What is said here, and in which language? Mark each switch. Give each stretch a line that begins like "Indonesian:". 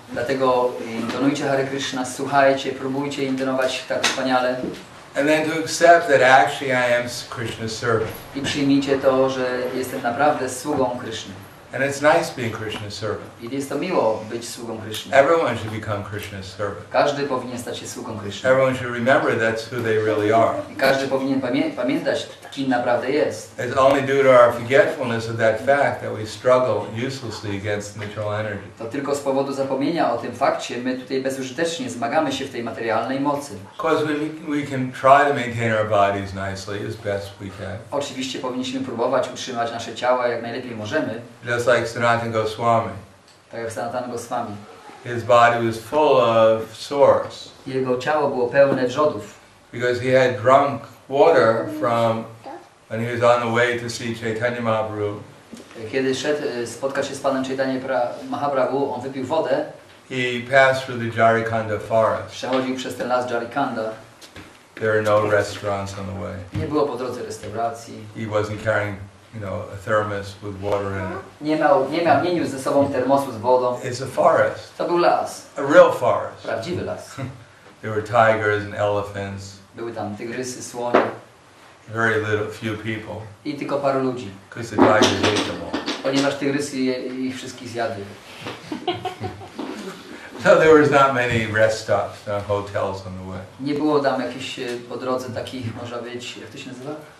Polish: Dlatego intonujcie Hare Krishna, słuchajcie, próbujcie intonować tak wspaniale.
English: And then to accept that actually I am Krishna's servant.
Polish: I przyjmijcie to, że jestem naprawdę sługą Kryszny.
English: And it's nice being Krishna's servant.
Polish: I jest to miło być sługą Krishna.
English: Everyone should become Krishna's servant.
Polish: Każdy powinien stać się sługą Krishna.
English: Everyone should remember that's who they really are.
Polish: I każdy powinien pamiętać, kim naprawdę jest.
English: It's only due to our forgetfulness of that fact that we struggle uselessly against material energy.
Polish: To tylko z powodu zapomnienia o tym fakcie my tutaj bezużytecznie zmagamy się w tej materialnej mocy.
English: Because we can try to maintain our bodies nicely as best we can.
Polish: Oczywiście powinniśmy próbować utrzymać nasze ciała jak najlepiej możemy.
English: Just like Sanatana Goswami.
Polish: Tak jak Sanatana Goswami.
English: His body was full of sores.
Polish: Jego ciało było pełne wrzodów.
English: Because he had drunk water from when he was on the way to see Chaitanya Mahaprabhu.
Polish: Kiedy szedł spotkać się z panem Chaitanya Mahaprabhu, on wypił wodę.
English: He passed through the Jharikhanda forest.
Polish: Przechodził przez ten las Jharikhanda.
English: There are no restaurants on the way.
Polish: Nie było po drodze restauracji.
English: He wasn't carrying a thermos with water in it.
Polish: Nie miał ze sobą termosu z wodą.
English: It's a forest.
Polish: To był las.
English: A real forest.
Polish: Prawdziwy las.
English: There were tigers and elephants.
Polish: Były tam tygrysy, słonie.
English: Very little, few people.
Polish: I tylko paru ludzi.
English: Because the tigers ate them all.
Polish: Ponieważ tygrysy ich wszystkich zjadły.
English: So there was not many rest stops, no hotels on the way.
Polish: Nie było tam jakichś po drodze takich, może być, jak to się nazywa?